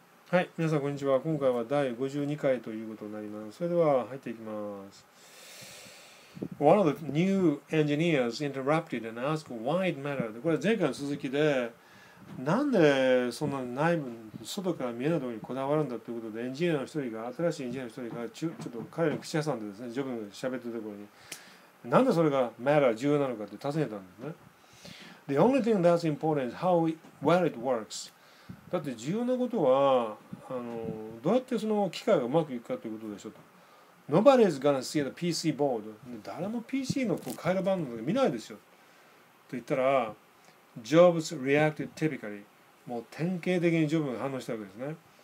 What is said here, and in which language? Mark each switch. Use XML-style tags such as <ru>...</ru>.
<ja>はい、皆さんこんにちは。今回は第52回ということになります。それでは入っていきます。</ja> <en>One of the new engineers interrupted and asked why it mattered.</en> <ja>これは前回の続きで、なんでそんな内部、外から見えないところにこだわるんだということで、エンジニアの一人が、新しいエンジニアの一人がちょっと彼に口挟んでですね、ジョブが喋ってるところに、なんでそれが matter 重要なのかって尋ねたんですね。</ja> <en>The only thing that's important is how well it works.</en> <ja>だって重要なことはどうやってその機械がうまくいくかということでしょうと。</ja> <en>Nobody's gonna see the PC board.</en> <ja>誰も PC のこう回路番号が見ないですよ。と言ったら、</ja> <en>Jobs reacted typically.</en> <ja>もう典型的にジョブが反応したわけですね。</ja>